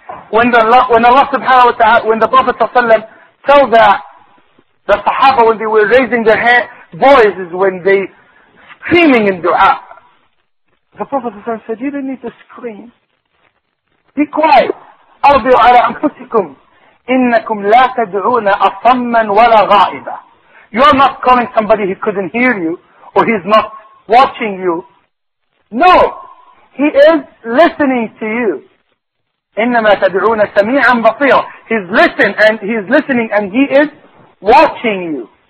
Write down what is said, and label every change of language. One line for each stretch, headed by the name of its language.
English: When the Prophet
Arabic: صلى الله عليه وسلم
English: told that the Sahaba, when they were raising their hand, voices, when they screaming in dua, the Prophet said, you don't need to scream. Be quiet.
Arabic: أرضوا على أنفسكم إنكم لا تدعون أصماً ولا غائبا.
English: You are not calling somebody who couldn't hear you or he's not watching you. No, he is listening to you.
Arabic: إنما تدعون سميعاً بصيراً.
English: He's listening and he is watching you.